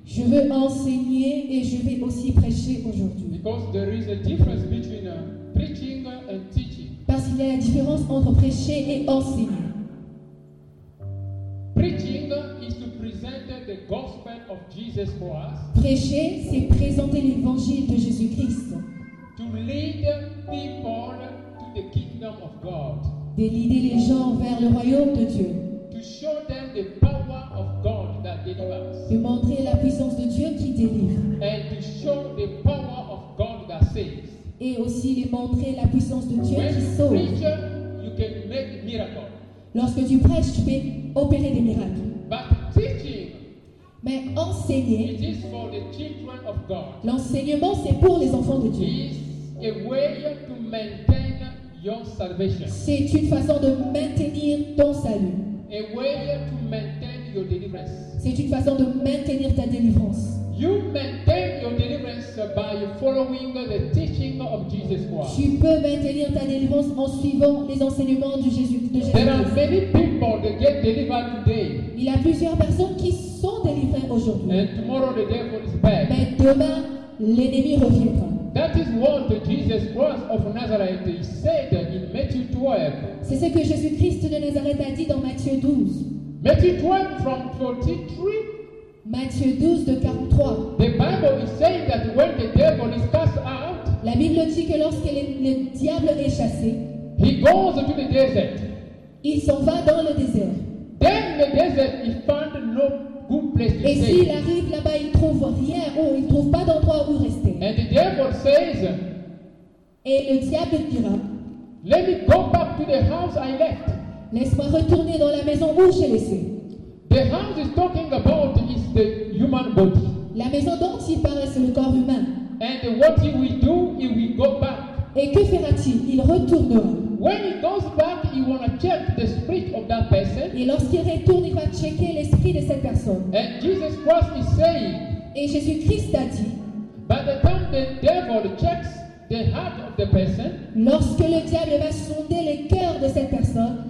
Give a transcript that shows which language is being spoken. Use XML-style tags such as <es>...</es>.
<fr>Je veux enseigner et je vais aussi prêcher aujourd'hui.</fr> <en>Because there is a difference between preaching and teaching.</en> <fr>Parce qu'il y a la différence entre prêcher et enseigner.</fr> <en>Preaching is to present the gospel of Jesus for us.</en> <fr>Prêcher, c'est présenter l'évangile de Jésus-Christ.</fr> <en>To lead people to the kingdom of God.</en> <fr>De leader les gens vers le royaume de Dieu.</fr> <en>To show them the power of God that delivers.</en> <fr>De montrer la puissance de Dieu qui délivre.</fr> <en>And to show the power of God that saves.</en> <fr>Et aussi de montrer la puissance de Dieu</fr> <en>when</en> <fr>qui sauve.</fr> <en>Preacher, you can make miracles.</en> <fr>Lorsque tu prêches, tu peux opérer des miracles.</fr> <en>But teaching,</en> <fr>mais enseigner,</fr> <en>it is for the children of God.</en> <fr>L'enseignement, c'est pour les enfants de Dieu.</fr> <en>A way to maintain your salvation.</en> <fr>C'est une façon de maintenir ton salut.</fr> <en>A way to maintain your deliverance.</en> <fr>C'est une façon de maintenir ta délivrance.</fr> <en>You maintain your deliverance by following the teaching of Jesus Christ.</en> <fr>Tu peux maintenir ta délivrance en suivant les enseignements de Jésus.</fr> <en>There are many people that get delivered today.</en> <fr>Il y a plusieurs personnes qui sont délivrées aujourd'hui.</fr> <en>And tomorrow the devil is back.</en> <fr>Mais demain, l'ennemi reviendra.</fr> <en>That is what Jesus Christ of Nazareth said in Matthew 12.</en> <fr>C'est ce que Jésus-Christ de Nazareth a dit dans Matthieu 12.</fr> <en>Matthew 12 from 43.</en> <fr>Matthieu 12 de 43.</fr> <en>The Bible is saying that when the devil is cast out,</en> <fr>la Bible dit que lorsque le diable est chassé,</fr> <en>he goes to the desert.</en> <fr>Il s'en va dans le désert.</fr> <en>Then the desert he found no good place to</en> <fr>et</fr> <en>stay.</en> <fr>Et s'il arrive là-bas, il trouve rien ou il trouve pas d'endroit où rester.</fr> <en>And the devil says,</en> <fr>et le diable dira,</fr> <en>let me go back to the house I left.</en> <fr>Laisse-moi retourner dans la maison où j'ai laissé.</fr> <en>The house is talking about is the human body.</en> <fr>La maison dont il parle c'est le corps humain.</fr> <en>And what he will do, he will go back.</en> <fr>Et que fera-t-il? Il retournera.</fr> <en>When he goes back, he wanna check the spirit of that person.</en> <fr>Et lorsqu'il retourne, il va checker l'esprit de cette personne.</fr> <en>And Jesus Christ is saying.</en> <fr>Et Jésus-Christ a dit.</fr> <en>By the time the devil checks the heart of the person.</en> <fr>Lorsque le diable va sonder le cœur de cette personne.</fr>